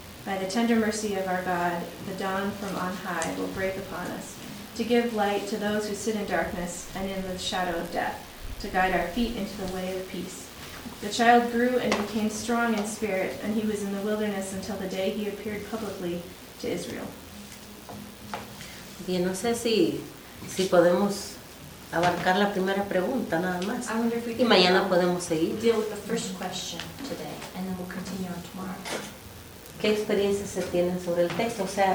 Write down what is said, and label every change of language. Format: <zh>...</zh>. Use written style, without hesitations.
<en>By the tender mercy of our God, the dawn from on high will break upon us to give light to those who sit in darkness and in the shadow of death, to guide our feet into the way of peace. The child grew and became strong in spirit, and he was in the wilderness until the day he appeared publicly to Israel.</en> <es>Bien, no sé si podemos abarcar la primera pregunta nada más.</es> <en>I wonder if we</en> <es>y mañana podemos seguir.</es> <en>Deal with the first question today, and then we'll continue on tomorrow.</en> <es>¿Qué experiencias se tienen sobre el texto? O sea,</es>